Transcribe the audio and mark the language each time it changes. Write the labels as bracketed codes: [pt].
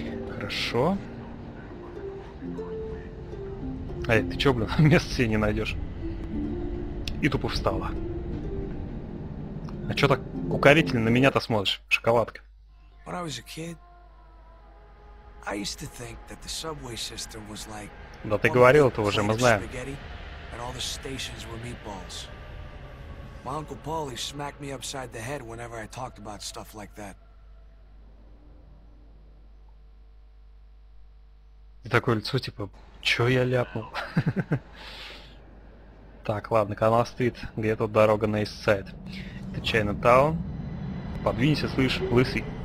[ru] Хорошо. Эй, ты чё, блин, место себе не найдешь? И тупо встала. А чё так укорительно на меня-то смотришь, шоколадка? [en] When I was a kid, I used to think that the subway system was like... [ru] Да ты говорил это уже, мы знаем. [en] And all the stations were meatballs. My uncle Paul, he smacked me upside the head whenever I talked about stuff like that. [ru] И такое лицо, типа, чё я ляпнул? Так, ладно, канал Стрит, где тут дорога на Эйстсайд? Это Чайна Таун. Подвинься, слышь, лысый.